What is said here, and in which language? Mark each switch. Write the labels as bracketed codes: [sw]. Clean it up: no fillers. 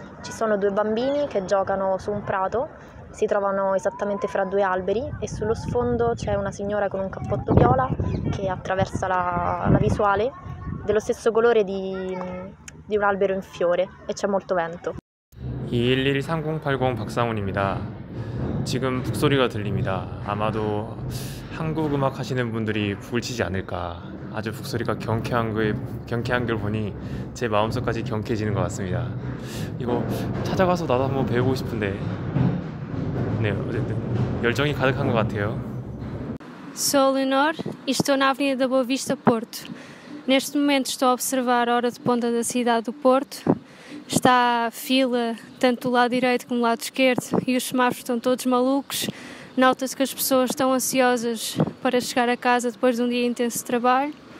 [it] Ci sono due bambini che giocano su un prato. Si trovano esattamente fra due alberi e sullo sfondo c'è una signora con un cappotto viola che attraversa la visuale dello stesso colore di un albero in fiore e c'è molto vento. [ko] 211-3080 박상훈입니다. 지금 북소리가 들립니다. 아마도 한국 음악 하시는 분들이 북을 치지 않을까. 아주 북소리가 경쾌한 걸 보니 제 마음속까지 경쾌해지는 것 같습니다. 이거 찾아가서 나도 한번 배우고 싶은데. 네, 어쨌든 열정이 가득한 것 같아요. [pt] Sou Leonor e estou na Avenida da Boa Vista, Porto. Neste momento estou a observar a hora de ponta da cidade do Porto. Está a fila tanto do lado direito como do lado esquerdo e os semáforos estão todos malucos. Nota-se que as pessoas estão ansiosas para chegar a casa depois de um dia intenso de trabalho.